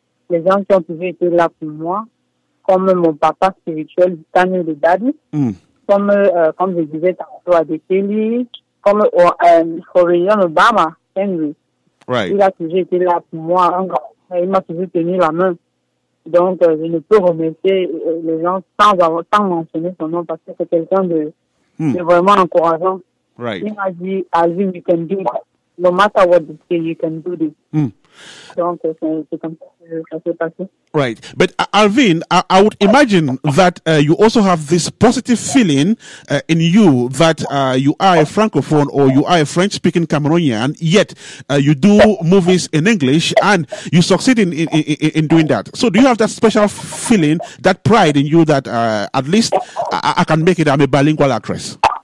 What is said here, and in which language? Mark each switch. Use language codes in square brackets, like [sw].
[fr] Les gens qui ont toujours été là pour moi, comme mon papa spirituel, Daniel de Daddy, comme je disais tantôt à Dekeli, comme Corian Obama. [en] Right. [fr] Il a toujours été là pour moi, il m'a toujours tenu la main. Donc, je ne peux remercier les gens sans mentionner son nom parce que c'est quelqu'un de vraiment encourageant. [en] Right. [fr] Il m'a dit, [en] Alvin, you can do it. No matter what you say, you can do this. Mm. [fr] Donc, c'est comme ça que ça s'est passé. [en] Right. But Alvin, I would imagine that you also have this positive feeling in you that you are a Francophone or you are a French-speaking Cameroonian, yet you do movies in English and you succeed in doing that. So do you have that special feeling, that pride in you that at least I can make it, I'm a bilingual actress?